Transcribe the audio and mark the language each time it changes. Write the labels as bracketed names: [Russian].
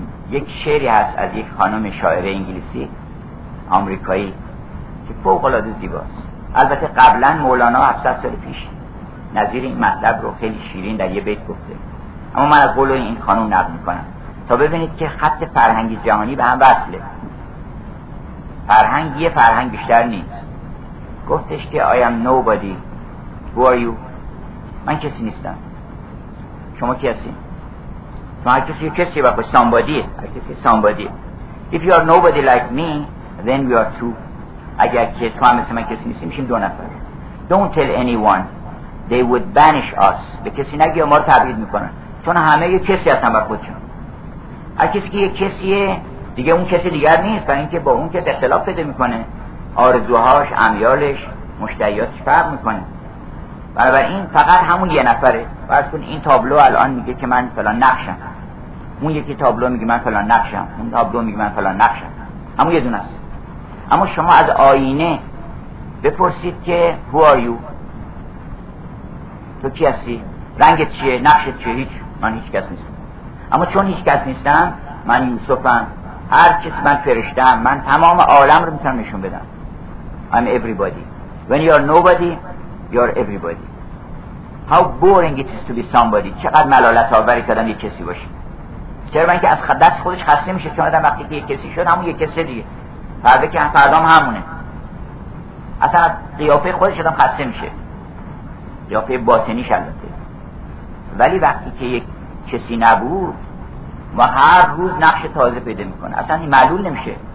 [Persian] یک شعری هست از یک خانم شاعره انگلیسی آمریکایی که فوق العاده زیباست، البته قبلا مولانا 700 سال پیش نظیر این مطلب رو خیلی شیرین در یه بیت گفته، اما من از قول این خانم نقل میکنم تا ببینید که خط فرهنگی جهانی به هم وصله. فرهنگ یه فرهنگ بیشتر نیست. گفتش که [English] I am nobody. Who are you? [Persian] من کسی نیستم. شما کی هستین؟ شما هر کسی کسی با خود [English] somebody. [Persian] هر کسی somebody. [English] If you are nobody like me, then we are two. [Persian] اگر که تو هم مثل من کسی نیستیم، میشیم دو نفر. [English] Don't tell anyone. They would banish us. [Persian] به کسی نگی و ما رو تبعید میکنن. چون همه یه کسی هستن با خودشون. هر کسی که یه کسیه، دیگه اون کسی دیگر نیست، برای اینکه با اون کس اختلاف پیدا میکنه، آرزوهاش، امیالش، مشتهیاتش فرق میکنه. برابر این فقط همون یه نفره. فرض کن این تابلو الان میگه که من فلان نقشم، اون یکی تابلو میگه من فلان نقشم، اون تابلو میگه من فلان نقشم، همون یه دونه است. اما شما از آینه بپرسید که [English] Who are you؟ [Persian] تو کی هستی؟ رنگت چیه؟ نقشت چیه؟ هیچ، من هیچ کس نیستم. اما چون هیچ کس نیستم، من یوسفم، هر کسی من فرشتم، من تمام عالم رو میتونم نشون بدم. [English] I'm everybody. When you are nobody, you are everybody. How boring it is to be somebody. [Persian] چقدر ملالت آوری کردن یک کسی باشی. چرا؟ من که از دست خودش خسته میشه، چون آدم وقتی که یک کسی شد همون یک کسی دیگه، فردا که فردا هم همونه. اصلا از قیافه خودش آدم خسته میشه، قیافه باطنیش البته. ولی وقتی که یک کسی نبود و هر روز نقش تازه پیدا میکنه، اصلا معلول نمیشه.